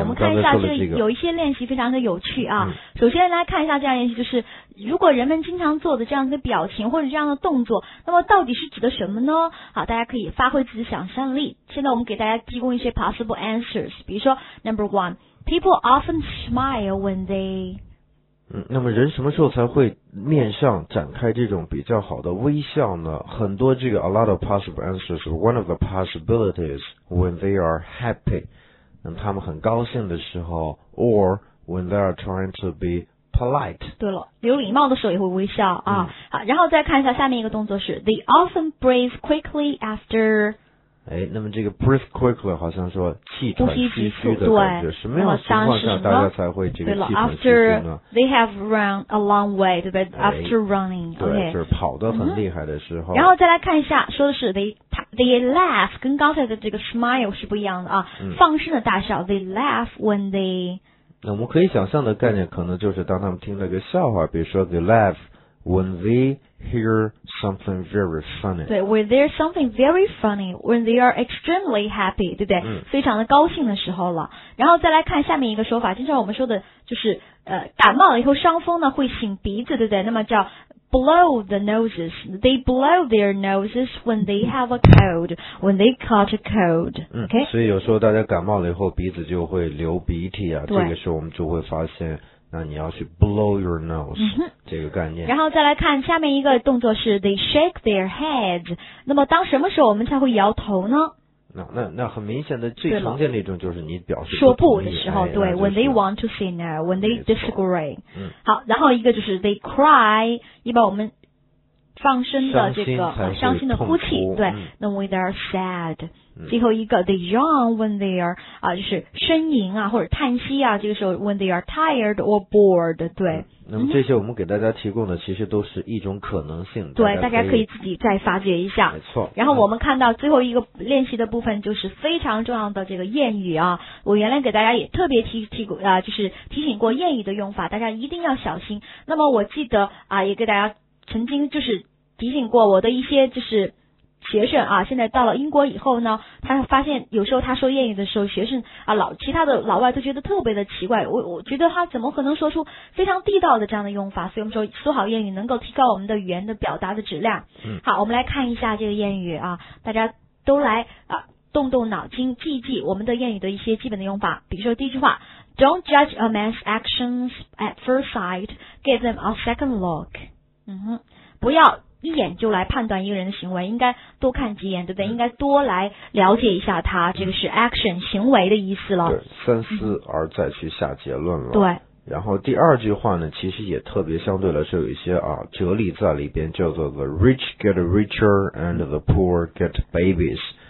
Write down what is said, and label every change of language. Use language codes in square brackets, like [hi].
[zh] 我们看一下这个，有一些练习非常的有趣啊。首先来看一下这样练习，就是如果人们经常做的这样的表情或者这样的动作，那么到底是指的什么呢？好，大家可以发挥自己的想象力。现在我们给大家提供一些 [en] possible answers， [zh] 比如说 [en] number one， people often smile when they。 [zh] 那么人什么时候才会面上展开这种比较好的微笑呢？很多这个 [en] a lot of possible answers， one of the possibilities when they are happy， [zh] 那么他们很高兴的时候， [en] or when they are trying to be polite。 [zh] 对了，有礼貌的时候也会微笑啊。好，然后再看一下下面一个动作是 they often breathe quickly after。那么这个 [en] breathe quickly [zh] 好像说气喘吁吁的感觉，对，什么样的情况下大家才会这个气喘吁吁呢 [en] ？After they have run a long way， [zh] 对不对 [en] ？After running， [zh] 对， okay。就是跑得很厉害的时候。然后再来看一下，说的是 [en] they laugh， [zh] 跟刚才的这个 smile 是不一样的啊，放声的大笑。 [en] They laugh when they。 [zh] 那我们可以想象的概念，可能就是当他们听了一个笑话，比如说 [en] they laugh when they。 Hear something very funny. 对 ，when there's something very funny, when they are extremely happy, [zh] 对不对？非常的高兴的时候了。然后再来看下面一个说法，经常我们说的就是感冒了以后伤风呢会擤鼻子，对不对？那么叫 [en] blow the noses. They blow their noses when they have a cold, when they catch a cold. Okay? [zh] 所以有时候大家感冒了以后鼻子就会流鼻涕啊，这个时候我们就会发现那你要去 [en] blow your nose、嗯、 [zh] 这个概念。然后再来看下面一个动作是 [en] they shake their heads。 [zh] 那么当什么时候我们才会摇头呢？那很明显的最常见的一种就是你表示说不的时候、哎、对、就是、 [en] when they want to say no, when they disagree、嗯、 [zh] 好，然后一个就是 [en] they cry, [zh] 一般我们放声的这个伤心的哭泣，对、嗯、 [en] 那 when they are sad、嗯、 [zh] 最后一个 [en] they yawn when they are、 [zh] 就是呻吟啊或者叹息啊，这个时候 [en] when they are tired or bored, [zh] 对、嗯、那么这些我们给大家提供的其实都是一种可能性、嗯、对，大家可以自己再发掘一下，没错。然后我们看到最后一个练习的部分就是非常重要的这个谚语啊，我原来给大家也特别就是提醒过谚语的用法，大家一定要小心。那么我记得啊，也给大家曾经就是提醒过我的一些就是学生啊，现在到了英国以后呢，他发现有时候他说谚语的时候，学生啊其他的老外都觉得特别的奇怪，我觉得他怎么可能说出非常地道的这样的用法。所以我们说说好谚语能够提高我们的语言的表达的质量。嗯，好，我们来看一下这个谚语啊，大家都来啊动动脑筋记一记我们的谚语的一些基本的用法。比如说第一句话， [en] Don't judge a man's actions at first sight, give them a second look。 [zh] 嗯哼，不要一眼就来判断一个人的行为，应该多看几眼，对不对？应该多来了解一下他，这个是 action 行为的意思了。对，三思而再去下结论了。对。然后第二句话呢，其实也特别相对来说有一些啊哲理在里边，叫做 [en] the rich get richer and the poor get babies。